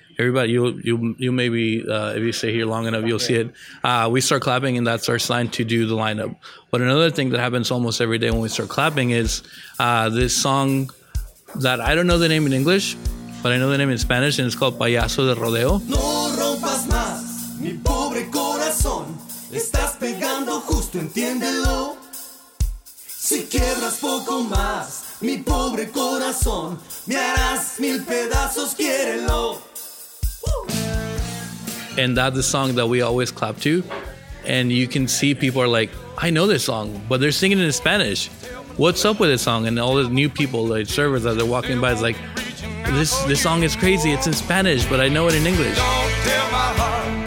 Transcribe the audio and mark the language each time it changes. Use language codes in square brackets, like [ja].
[en] Everybody, you maybe, if you stay here long enough, you'll see it. We start clapping, and that's our sign to do the lineup. But another thing that happens almost every day when we start clapping is this song that I don't know the name in English, but I know the name in Spanish, and it's called Payaso de Rodeo. [es] No rompas más, mi pobre corazón. Estás pegando justo, entiéndelo. Si quiebras poco más, mi pobre corazón, me harás mil pedazos, quiérelo. [en] And that's the song that we always clap to. And you can see people are like, I know this song, but they're singing it in Spanish. What's up with this song? And all the new people, like servers that they're walking by, is like, this song is crazy. It's in Spanish, but I know it in English. Don't tell my heart.